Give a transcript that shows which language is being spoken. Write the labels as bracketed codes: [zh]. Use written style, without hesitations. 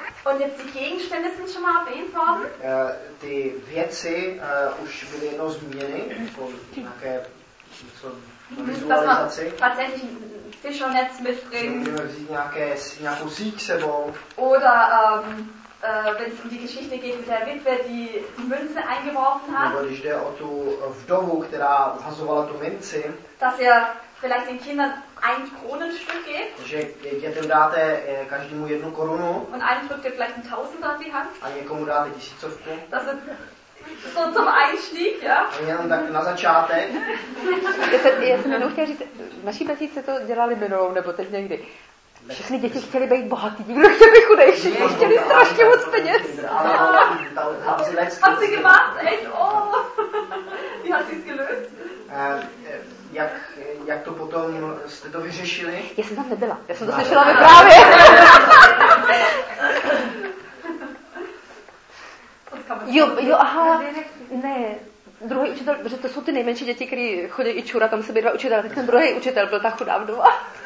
[de] Und jetzt die Gegenstände sind schon mal erwähnt worden? [cs] Ty věci už byly jednou zmíněny, po nějaké vizualizaci. [de] Tatsächlich ein Fischernetz mitbringen. [cs] Že můžeme vzít nějakou síť sebou. [de] Oder wenn es um die Geschichte geht mit der Witwe, die Münze eingeworfen hat. [cs] Nebo když jde o tu vdovu, která hazovala tu minci. [de] Dass ihr vielleicht den Kindern ein Kronenstück gibt. [cs] Že dětem dáte každému jednu korunu. [de] Und einem drückt ihr vielleicht ein Tausender in die Hand. [cs] A někomu dáte tisícovku. [de] Das ist so zum Einstieg, ja. [cs] A jenom tak na začátek. Já jsem jenom chtěla říct, v naší vesnici se to dělali minulou, nebo teď někdy. Všechny děti chtěli být bohatý, nikdo chtěl být chudej, všichni chtěli strašně moc peněz. Ale hlavně si [de] gemacht, echt, oh. Wie hat sie es gelöst? [cs] Jak to potom jste to vyřešili? Já jsem tam nebyla, já jsem to slyšela vyprávě. Jo, aha, ne, druhý učitel, že to jsou ty nejmenší děti, které chodí i čura, tam se byly dva učitele, tak ten druhý učitel byl ta chudá vdova.